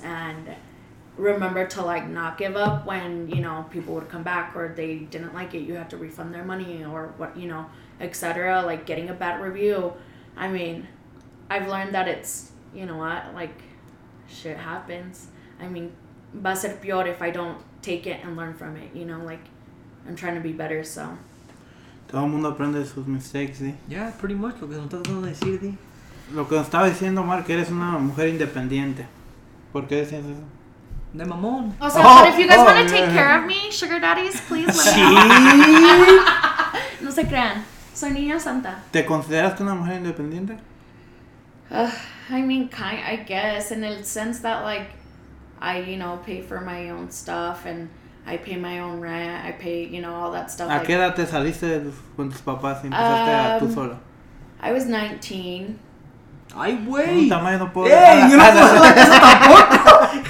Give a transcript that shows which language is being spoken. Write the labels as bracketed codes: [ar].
[en] And remember to, like, not give up when, you know, people would come back or they didn't like it. You have to refund their money or what, you know, et cetera. Like, getting a bad review. I mean, I've learned that it's, you know what, like, shit happens. I mean, [es] va a ser peor [en] if I don't take it and learn from it, you know, like, I'm trying to be better, so. [es] Todo el mundo aprende sus [en] mistakes, [es] ¿sí? [en] Yeah, pretty much, [es] lo que nos está tratando de decir, ¿sí? Lo que nos estaba diciendo, Mark, que eres una mujer independiente. ¿Por qué decías eso? De mamón. O sea, [en] but if you guys want to take care of me, sugar daddies, please let me. [es] No se crean, soy niña santa. ¿Te consideras una mujer independiente? [en] I mean, kind, I guess, in the sense that, like, I, you know, pay for my own stuff, and I pay my own rent, I pay, you know, all that stuff. [es] ¿A qué edad te saliste con tus papás y empezaste a tú solo? [en] I was 19. [es] ¡Ay, güey! ¡Un tamaño no puedo! ¡Ey, yo no puedo hacer eso tampoco!